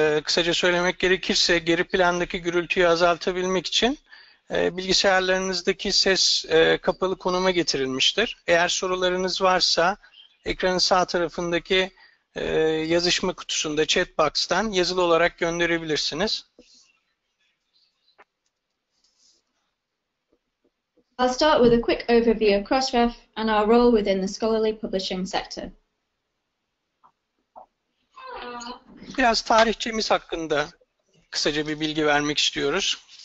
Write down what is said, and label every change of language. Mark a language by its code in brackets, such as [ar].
[tr] Kısaca söylemek gerekirse geri plandaki gürültüyü azaltabilmek için bilgisayarlarınızdaki ses kapalı konuma getirilmiştir. Eğer sorularınız varsa ekranın sağ tarafındaki yazışma kutusunda [en] chat box'tan [tr] yazılı olarak gönderebilirsiniz. [en] I'll start with a quick overview of Crossref and our role within the scholarly publishing sector. [tr] Biraz tarihçemiz hakkında kısaca bir bilgi vermek istiyoruz.